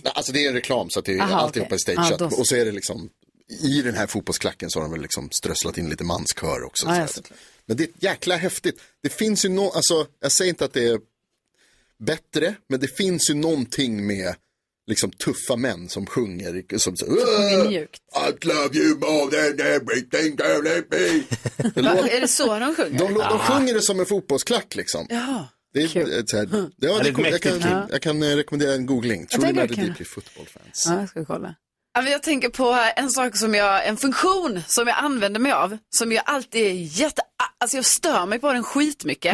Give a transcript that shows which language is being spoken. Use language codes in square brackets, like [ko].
[sv] Alltså det är en reklam så att det är alltihopa i stage. Och så är det liksom i den här fotbollsklacken så har de väl liksom strösslat in lite manskör också. Ah, så här. Men det är jäkla häftigt. Det finns ju någon, alltså jag säger inte att det är bättre, men det finns ju någonting med liksom tuffa män som sjunger som så mjukt. [en] I love you more than everything girl, let me. [sv] Är det så de sjunger? De sjunger det som en fotbollsklack liksom. Ja. Det är cool. Ett så här, det, ja, det är jag kan rekommendera en googling. [en] Truly Madly Deeply Football Fans. [sv] Ja, jag ska kolla. Jag tänker på en sak som jag, en funktion som jag använder mig av, som jag alltid är jätte, alltså jag stör mig på den skitmycket.